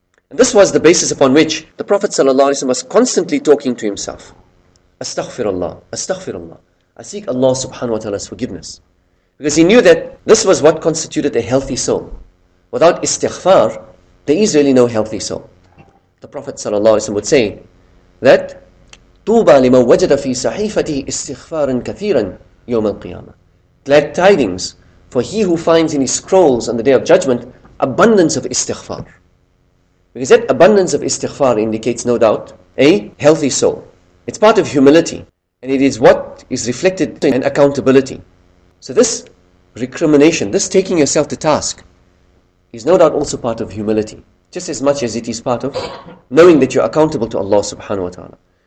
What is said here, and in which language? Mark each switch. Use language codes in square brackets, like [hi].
[en] And this was the basis upon which the Prophet ﷺ was constantly talking to himself. Astaghfirullah, astaghfirullah. I seek Allah subhanahu wa ta'ala's forgiveness. Because he knew that this was what constituted a healthy soul. Without istighfar, there is really no healthy soul. The Prophet ﷺ would say that, [ar] طُوبَى لِمَنْ وَجَدَ فِي صَحِيفَتِهِ إِسْتِغْفَارًا كَثِيرًا يَوْمَ الْقِيَامَةِ. [en] Glad tidings for he who finds in his scrolls on the day of judgment abundance of istighfar. Because that abundance of istighfar indicates, no doubt, a healthy soul. It's part of humility. And it is what is reflected in accountability. So this recrimination, this taking yourself to task, is no doubt also part of humility, just as much as it is part of knowing that you're accountable to Allah subhanahu wa ta'ala.